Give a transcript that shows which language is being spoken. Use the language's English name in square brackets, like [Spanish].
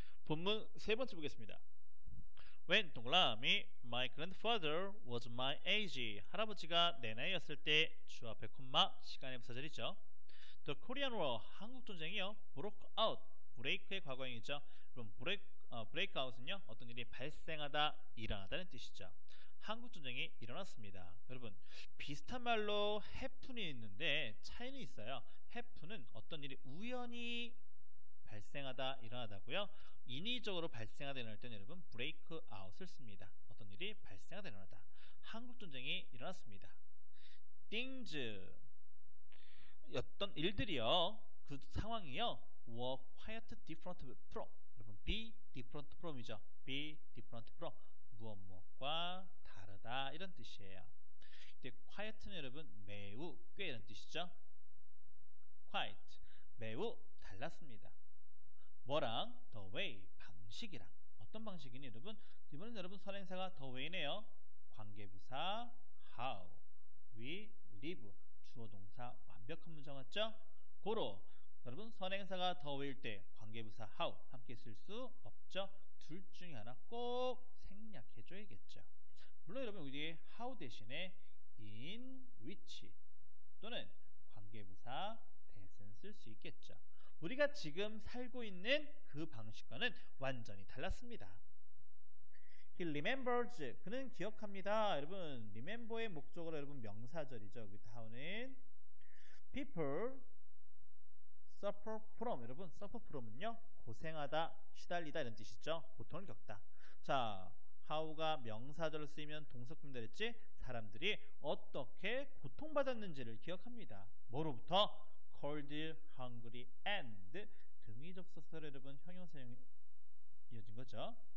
[Korean] 본문 세 번째 보겠습니다. When 동그라미 [English] my grandfather was my age [Korean] 할아버지가 내 나이였을 때 주 앞에 콤마 시간의 부사절이죠. [English] The Korean War [Korean] 한국 전쟁이요 broke out break의 과거형이죠. 그럼 break out은요 어떤 일이 발생하다 일어나다는 뜻이죠. 한국 전쟁이 일어났습니다. 여러분 비슷한 말로 happen이 있는데 차이는 있어요. happen은 어떤 일이 우연히 발생하다 일어나다고요. 인위적으로 발생하다 일어날 때는 여러분 break out을 씁니다. 어떤 일이 발생하다 일어나다. 한국 전쟁이 일어났습니다. things 어떤 일들이요 그 상황이요 [English] were quite different from [Korean] 여러분 be different from이죠. be different from 무엇무엇과 다르다 이런 뜻이에요. 이제 quiet는 여러분 매우 꽤 이런 뜻이죠. quite 매우 달랐습니다. 뭐랑 the way 방식이랑 어떤 방식이니 여러분 이번엔 여러분 선행사가 the way네요. 관계부사 [English] how we live [Korean] 주어동사 완벽한 문장 같죠? 고로 여러분 선행사가 the way일 때 관계부사 how 함께 쓸 수 없죠. 둘 중에 하나 꼭 생략해줘야겠죠. 물론 여러분 우리 how 대신에 in which 또는 관계부사 that은 쓸 수 있겠죠. 우리가 지금 살고 있는 그 방식과는 완전히 달랐습니다. [English] He remembers. [Korean] 그는 기억합니다. 여러분, remember의 목적으로 여러분 명사절이죠. [English] 여기 how는 people suffer from. [Korean] 여러분, suffer from은요. 고생하다, 시달리다 이런 뜻이죠. 고통을 겪다. 자, how가 명사절을 쓰이면 동사구문 되겠지? 사람들이 어떻게 고통받았는지를 기억합니다. 뭐로부터? [English] cold, hungry, and [Korean] 등이 접속사로 여러분 형용사 이어진 거죠.